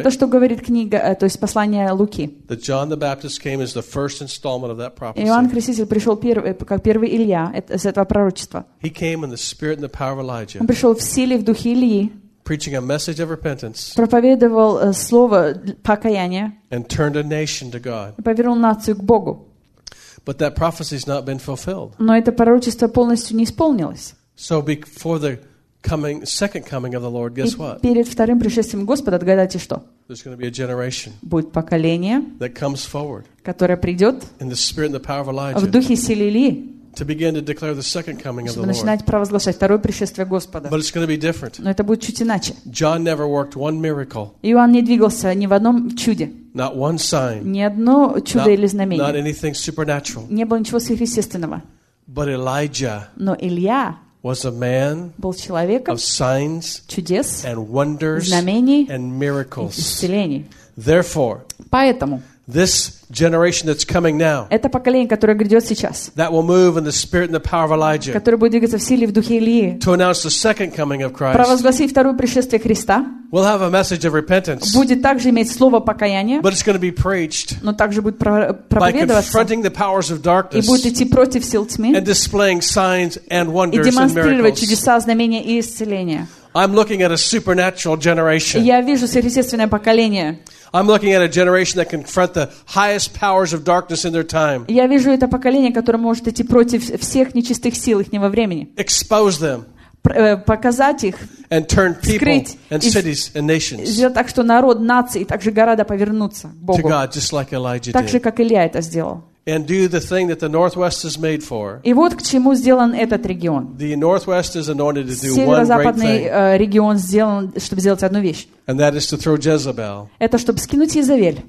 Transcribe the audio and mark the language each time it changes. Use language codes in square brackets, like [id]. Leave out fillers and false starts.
[ru] Это что говорит книга, то есть послание Луки. [en] That John the Baptist came as the first installment of that prophecy. [ru] Иоанн Креститель пришел первый, как первый Илья с этого пророчества. [en] He came in the spirit and the power of Elijah. [ru] Он пришел в силе и в духе Ильи. [en] Preaching a message of repentance. [ru] Проповедовал слово покаяния. [en] And turned a nation to God. [ru] И повернул нацию к Богу. [en] But that prophecy has not been fulfilled. [ru] Но это пророчество полностью не исполнилось. [en] So before the coming, second coming of the Lord, guess what? [ru] И перед вторым пришествием Господа, отгадайте что? [en] There's going to be a generation. [ru] Будет поколение. [en] That comes forward. [ru] Которое придет. [en] In the spirit and the power of Elijah. [ru] В духе силы Ильи. [en] to begin to declare the second coming of the Lord. [ru] Начинать провозглашать второе пришествие Господа. [en] But it's going to be different. [ru] Но это будет чуть иначе. [en] John never worked one miracle. [ru] Иоанн не двигался ни в одном чуде. [en] Not one sign. [ru] Ни одно чудо или знамение. [en] Not anything supernatural. [ru] Не было ничего сверхъестественного. [en] But Elijah. [ru] Но Илия. [en] Was a man [ru] был человеком [en] of signs, [ru] чудес, [en] and wonders, [ru] знамений [en] and miracles. [ru] И исцелений. [en] Therefore, [ru] поэтому [en] this generation that's coming now, [ru] это поколение, которое грядет сейчас, [en] that will move in the spirit and the power of Elijah, [ru] которое будет двигаться в силе и в духе Илии, [en] to announce the second coming of Christ, [ru] провозгласить второе пришествие Христа, [en] will have a message of repentance, [ru] будет также иметь слово покаяния, [en] but it's going to be preached, [ru] но также будет проповедоваться, [en] by confronting the powers of darkness, [ru] и будет идти против сил тьмы, [en] and displaying signs and wonders and miracles, [ru] и демонстрировать чудеса, знамения и исцеления. [en] I'm looking at a supernatural generation. [ru] Я вижу сверхъестественное поколение. [en] I'm looking at a generation that confront the highest powers of darkness in their time. [ru] Я вижу это поколение, которое может идти против всех нечистых сил ихнего времени. [en] Expose them. [ru] Показать их. [en] And turn people and cities and nations. [ru] Сделать так, что народ, нации и также города повернутся к Богу. [en] To God, just like Elijah did. [ru] Так же, как Илия это сделал. [en] And do the thing that the Northwest is made for. [ru] И вот к чему сделан этот регион. [en] The Northwest is anointed to do one [ru] Северо-западный регион сделан, чтобы сделать одну вещь. [en] And that is to throw Jezebel. [ru] Это чтобы скинуть Иезавель.